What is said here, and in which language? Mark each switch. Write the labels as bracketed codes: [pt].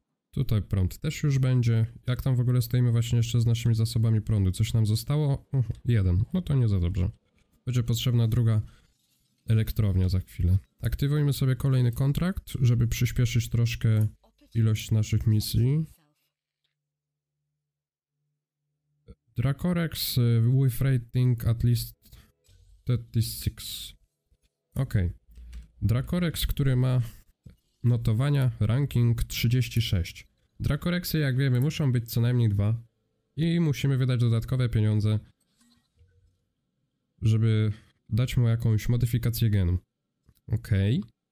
[pl] Tutaj prąd też już będzie. Jak tam w ogóle stoimy właśnie jeszcze z naszymi zasobami prądu? Coś nam zostało? Jeden. No to nie za dobrze. Będzie potrzebna druga elektrownia za chwilę. Aktywujmy sobie kolejny kontrakt, żeby przyspieszyć troszkę ilość naszych misji. [en] Dracorex with rating at least 36. Okej. Okay. [pl] Dracorex, który ma notowania ranking 36. Drakoreksy, jak wiemy, muszą być co najmniej dwa i musimy wydać dodatkowe pieniądze, żeby dać mu jakąś modyfikację genu. Okej. Okay.